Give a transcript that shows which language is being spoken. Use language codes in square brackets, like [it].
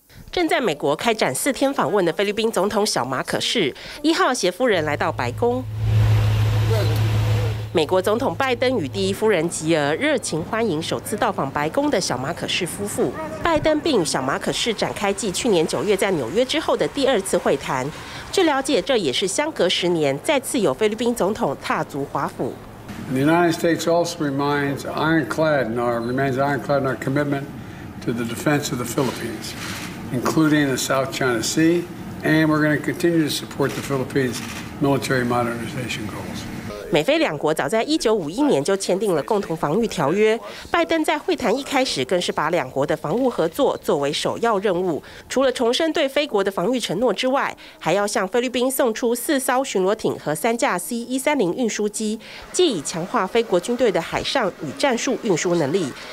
[zh] 正在美国开展4天访问的菲律宾总统小马可是1号携夫人来到白宫，美国总统拜登与第一夫人吉尔热情欢迎首次到访白宫的小马可是夫妇。拜登并与小马可是展开继去年9月在纽约之后的第二次会谈。据了解，这也是相隔10年再次有菲律宾总统踏足华府。 [en] The United States also remains ironclad in our commitment to the defense of the Philippines, including the South China Sea, and we're going to continue to support the Philippines' military modernization goals. [zh] 美菲两国早在1951年就签订了共同防御条约，拜登在会谈一开始更是把两国的防务合作作为首要任务，除了重申对菲国的防御承诺之外，还要向菲律宾送出4艘巡逻艇和3架 C-130 运输机，借以强化菲国军队的海上与战术运输能力。